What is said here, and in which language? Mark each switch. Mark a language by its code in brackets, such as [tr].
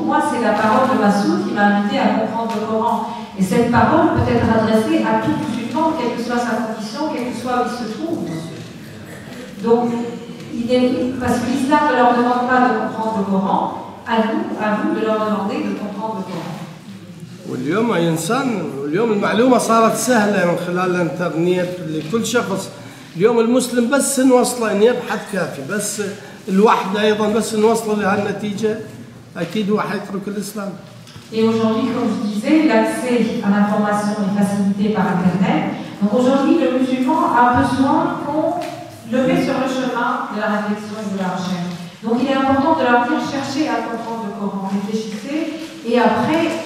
[fr] Moi, c'est la parole de Massoud qui m'a invité à comprendre le Coran. Et cette parole peut être adressée à tout musulman, quelle que soit sa condition, quel que soit où il se trouve. Donc, il est, parce que l'islam ne leur demande pas de comprendre le Coran, à vous de leur demander de comprendre le Coran. [ar] واليوم أي إنسان، واليوم المعلومة صارت سهلة من خلال الإنترنت لكل شخص. اليوم المسلم بس نوصله إن يبحث كافي، بس الوحدة أيضا بس نوصله لهالنتيجة أكيد هو حيترك الإسلام. [fr] Et aujourd'hui, comme je disais, l'accès à l'information est facilité par Internet. Donc aujourd'hui, le musulman a besoin qu'on le met sur le chemin de la réflexion et de la recherche. Donc il est important de leur dire chercher à comprendre le Coran, réfléchissez, et après